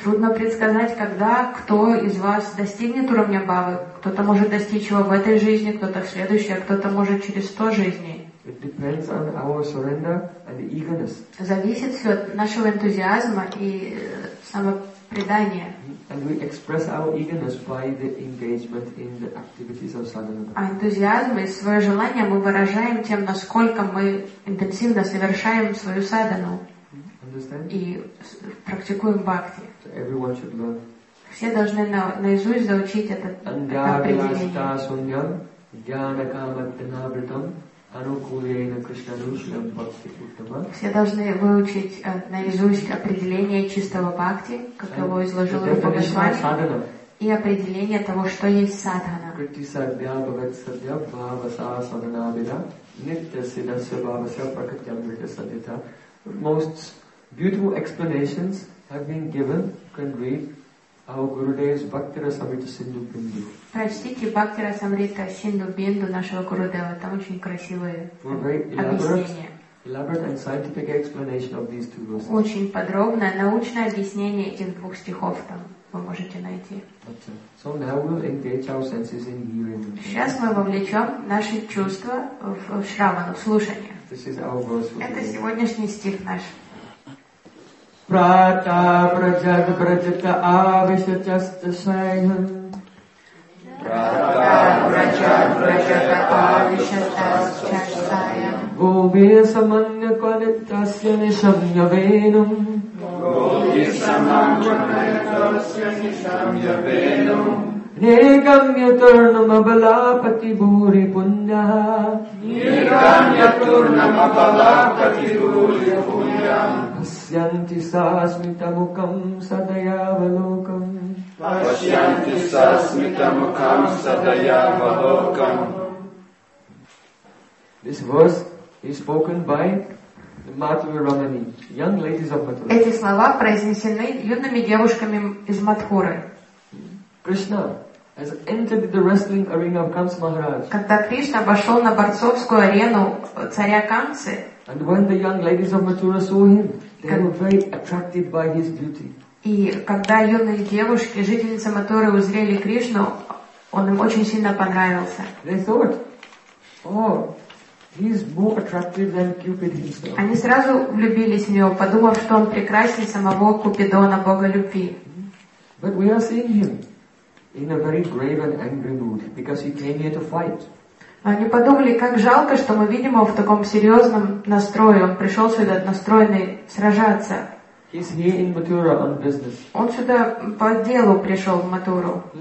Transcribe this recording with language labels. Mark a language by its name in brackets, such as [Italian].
[Russian] Трудно предсказать, когда кто из вас достигнет уровня бхавы. Кто-то может достичь его в этой жизни, кто-то в следующей, а кто-то может через 100 жизней. [English] It depends on our surrender and eagerness. [Russian] Зависит все от нашего энтузиазма и самопредания. [English] And we express our eagerness by the engagement in the activities of sadhana. [Russian] А энтузиазм и свое желание мы выражаем тем, насколько мы интенсивно совершаем свою садхану. И практикуем бхакти. [English] So everyone should learn. [Russian] Все должны наизусть заучить это определение. [Sanskrit] Джнанакаматнавритам анукулейна кришнанушьям бхакти уттама. [Russian] Все должны выучить наизусть определение чистого бхакти, как его изложил Рупа Госвами, и определение того, что есть садхана. [Sanskrit] Критисадья бхагатсадья бхавасасадана абида нитья сидасья бхавасья пракатья бхагатья садхита. [English] Most beautiful explanations have been given. You can read our Gurudev's Bhaktirasamrita Sindhu Bindu. [Russian] Прочтите Бхактирасамрита Синду Бинду нашего Гурудева. Там очень красивое объяснение. [English] Elaborate and scientific explanation of these two verses. [Russian] Очень подробное научное объяснение этих двух стихов там вы можете найти. [English] So now we'll engage our senses in hearing. [Russian] Сейчас мы вовлечем наши чувства в шравану, в слушание. [English] This is our verse. [Russian] Это сегодняшний стих наш. [Sanskrit] Прата праджат праджат авиша часта сайхан. Прата праджат праджат авиша часта сайхан. Гоби саманья кванитасья нишамья венум. Гоби саманья кванитасья нишамья венум. Негамья турна мабала пати бури пунья. Негамья турна мабала пати бури пунья. Пасьянти сасмита мукам садая валокам. Пасьянти сасмита мукам садая валокам. [English] This verse is spoken by the Madhuri Ramani, young ladies of Mathura. [Russian] Эти слова произнесены юными девушками из Мадхуры. [English] Krishna has entered the wrestling arena of Kamsa Maharaj. [Russian] Когда Кришна вошел на борцовскую арену царя Камсы. [English] And when the young ladies of Mathura saw him, they were very attracted by his beauty. [Russian] И когда юные девушки, жительницы Мадхуры, узрели Кришну, он им очень сильно понравился. [English] They thought, oh. He is more attractive than Cupid himself. [Russian] Они сразу влюбились в него, подумав, что он прекраснее самого Купидона, Бога любви. [English] But we are seeing him in a very grave and angry mood because he came here to fight. [Russian] Они подумали, как жалко, что мы видим его в таком серьезном настрое. Он пришел сюда настроенный сражаться. [English] He's here in Mathura on business. [Russian] Он сюда по делу пришел в Матуру.